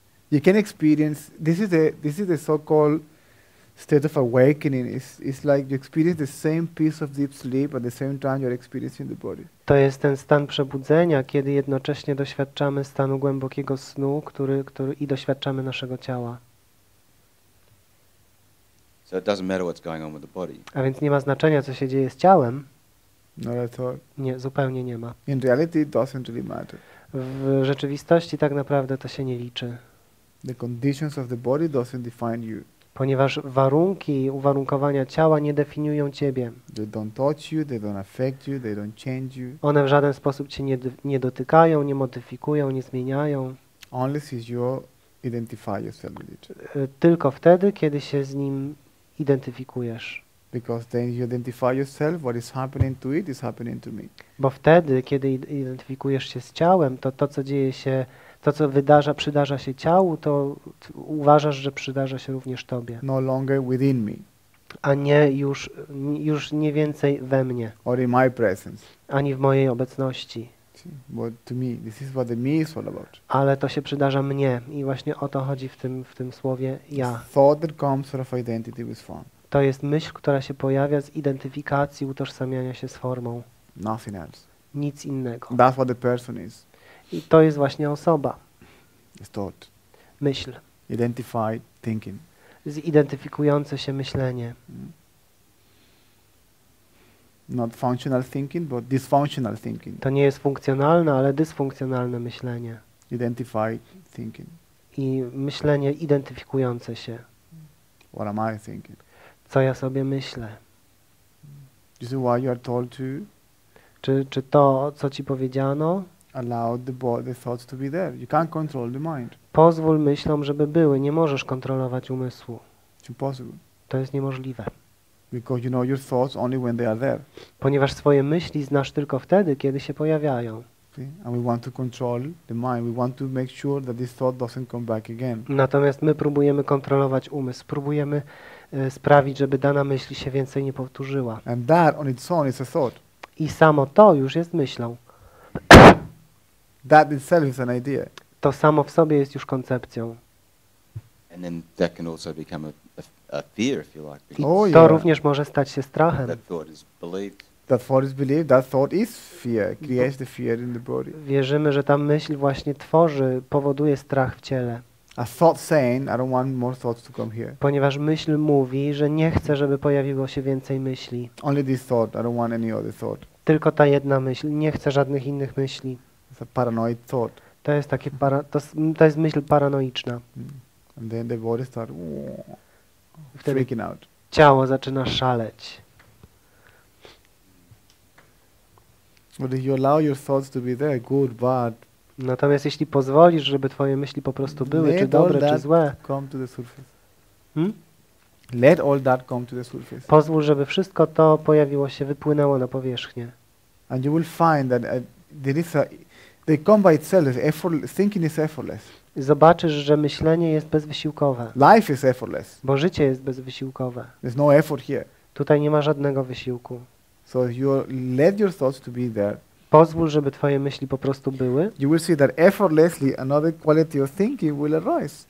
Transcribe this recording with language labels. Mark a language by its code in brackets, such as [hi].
[en] You can experience, this is the so-called state of awakening. It's like you experience the same piece of deep sleep at the same time you're experiencing the body. [pl] To jest ten stan przebudzenia, kiedy jednocześnie doświadczamy stanu głębokiego snu, który i doświadczamy naszego ciała. [en] So it doesn't matter what's going on with the body. [pl] A więc nie ma znaczenia, co się dzieje z ciałem. [en] Not at all. [pl] Nie, zupełnie nie ma. [en] In reality, it doesn't really matter. [pl] W rzeczywistości tak naprawdę to się nie liczy. [en] The conditions of the body doesn't define you. [pl] Ponieważ warunki uwarunkowania ciała nie definiują ciebie. [en] They don't touch you, they don't affect you, they don't change you. [pl] One w żaden sposób cię nie dotykają, nie modyfikują, nie zmieniają. [en] Only since you identify yourself with each other. [pl] Tylko wtedy, kiedy się z nim identyfikujesz. [en] Because then you identify yourself, what is happening to it is happening to me. [pl] Bo wtedy, kiedy identyfikujesz się z ciałem, to co dzieje się, to co przydarza się ciału, to uważasz, że przydarza się również tobie. [en] No longer within me. [pl] A nie już nie więcej we mnie. [en] Or in my presence. [pl] Ani w mojej obecności. [en] But to me, this is what the me is all about. [pl] Ale to się przydarza mnie i właśnie o to chodzi w tym słowie ja. [en] Thought that comes out of identity with form. [pl] To jest myśl, która się pojawia z identyfikacji, utożsamiania się z formą. [en] Nothing else. [pl] Nic innego. [en] That's what the person is. [pl] I to jest właśnie osoba. [en] It's thought. [pl] Myśl. [en] Identified thinking. [pl] Zidentyfikujące się myślenie. [en] Not functional thinking, but dysfunctional thinking. [pl] To nie jest funkcjonalne, ale dysfunkcjonalne myślenie. [en] Identified thinking. [pl] I myślenie identyfikujące się. [en] What am I thinking? [pl] Co ja sobie myślę? [en] Is it why you are told to? [pl] Czy to, co ci powiedziano? [en] Allow the thoughts to be there. You can't control the mind. [pl] Pozwól myślom, żeby były. Nie możesz kontrolować umysłu. [en] It's impossible. [pl] To jest niemożliwe. [en] Because you know your thoughts only when they are there. [pl] Ponieważ swoje myśli znasz tylko wtedy, kiedy się pojawiają. [en] And we want to control the mind. We want to make sure that this thought doesn't come back again. [pl] Natomiast my próbujemy kontrolować umysł. Próbujemy sprawić, żeby dana myśl się więcej nie powtórzyła. [en] And that on its own is a thought. [pl] I samo to już jest myślą. [en] That itself is an idea. [pl] To samo w sobie jest już koncepcją. [en] And then that can also become a fear, if you like. I oh, to yeah. [pl] Również może stać się strachem. [en] That thought is believed. That thought is believed. That thought is fear. Creates the fear in the body. [pl] Wierzymy, że ta myśl właśnie tworzy, powoduje strach w ciele. [en] A thought saying, I don't want more thoughts to come here. [pl] Ponieważ myśl mówi, że nie chce, żeby pojawiło się więcej myśli. [en] Only this thought. I don't want any other thought. [pl] Tylko ta jedna myśl. Nie chcę żadnych innych myśli. [en] It's a paranoid thought. [pl] To jest takie to jest myśl paranoiczna. [en] And then the body starts freaking out. [pl] Ciało zaczyna szaleć. [en] But if you allow your thoughts to be there, good, bad. [pl] Natomiast jeśli pozwolisz, żeby twoje myśli po prostu były, [en] let [pl] czy dobre, czy złe. [en] Come to the surface. Let all that come to the surface. [pl] Pozwól, żeby wszystko to pojawiło się, wypłynęło na powierzchnię. [en] And you will find that there is a they come by itself. Thinking is effortless. [pl] Zobaczysz, że myślenie jest bezwysiłkowe. [en] Life is effortless. [pl] Bo życie jest bezwysiłkowe. [en] There's no effort here. [pl] Tutaj nie ma żadnego wysiłku. [en] So you let your thoughts to be there. [pl] Pozwól, żeby twoje myśli po prostu były. [en] You will see that effortlessly another quality of thinking will arise.